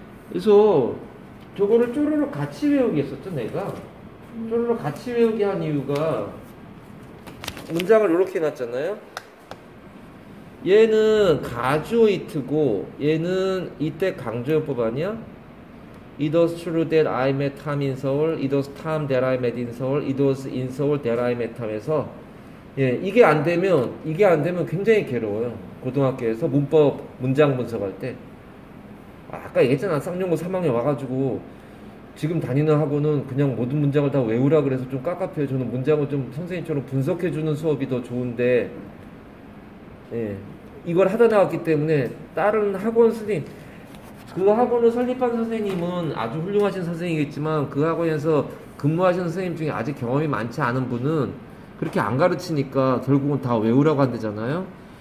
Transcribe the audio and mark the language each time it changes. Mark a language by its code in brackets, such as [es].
[ko] 그래서 저거를 쪼르르 같이 외우기 했었죠, 내가. 쪼르르 같이 외우기 한 이유가 문장을 이렇게 해놨잖아요. 얘는 가주어 이트고 얘는 이때 강조요법 아니야? [en] It was true that I met Tom in Seoul. It was time that I met in Seoul. It was in Seoul that I met Tom. [ko] 해서 예, 이게 안 되면 굉장히 괴로워요. 고등학교에서 문법 문장 분석할 때. 아까 얘기했잖아. 쌍용고 3학년 와가지고 지금 다니는 학원은 그냥 모든 문장을 다 외우라 그래서 좀 깝깝해요. 저는 문장을 좀 선생님처럼 분석해주는 수업이 더 좋은데, 예, 이걸 하다 나왔기 때문에 다른 학원 선생님, 그 학원을 설립한 선생님은 아주 훌륭하신 선생님이겠지만 그 학원에서 근무하신 선생님 중에 아직 경험이 많지 않은 분은 그렇게 안 가르치니까 결국은 다 외우라고 한대잖아요.